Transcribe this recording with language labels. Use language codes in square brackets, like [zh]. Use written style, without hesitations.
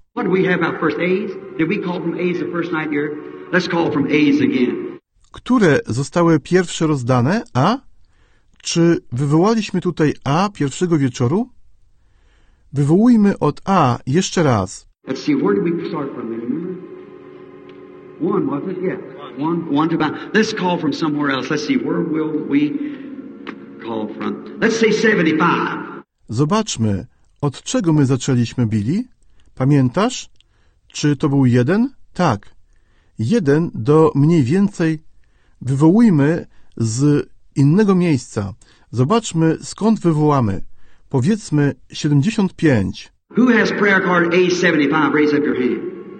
[en] What do we have our first A's? Did we call from A's the first night here? Let's call from A's again. [pl] Które zostały pierwsze rozdane, a? Czy wywołaliśmy tutaj A pierwszego wieczoru? Wywołujmy od A jeszcze raz. [en] Let's see, where did we start from? One, was it? Yeah. One to about. Let's call from somewhere else. Let's see, where will we call from? Let's say 75. [pl] Zobaczmy, od czego my zaczęliśmy, Billy? Pamiętasz? Czy to był jeden? Tak. Jeden do mniej więcej. Wywołujmy z innego miejsca. Zobaczmy, skąd wywołamy. Powiedzmy 75. [en] Who has prayer card A75? Raise up your hand.